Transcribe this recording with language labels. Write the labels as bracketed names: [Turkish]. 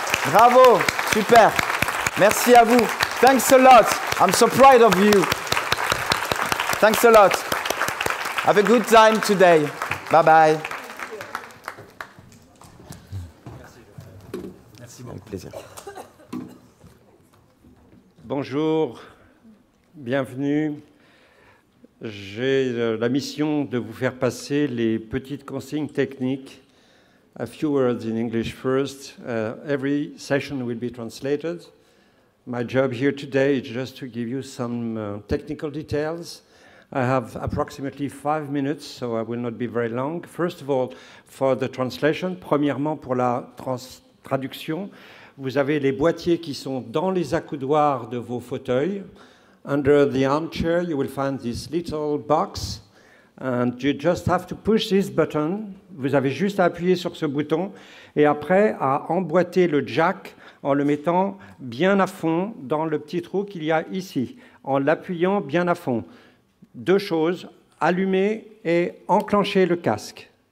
[French] Bravo, super, merci à vous. [English] Thanks a lot, I'm so proud of you. Thanks a lot. Have a good time today. Bye bye. [French] Merci beaucoup. Avec plaisir. Bonjour, bienvenue. J'ai la mission de vous faire passer les petites consignes techniques. [English] A few words in English first. Every session will be translated. My job here today is just to give you some technical details. I have approximately 5 minutes, so I will not be very long. First of all, for the translation, [French] premièrement pour la traduction, vous avez les boîtiers qui sont dans les accoudoirs de vos fauteuils. [English] Under the armchair, you will find this little box, and you just have to push this button. [French] Vous avez juste à appuyer sur ce bouton et après à emboîter le jack en le mettant bien à fond dans le petit trou qu'il y a ici, en l'appuyant bien à fond. Deux choses, allumer et enclencher le casque.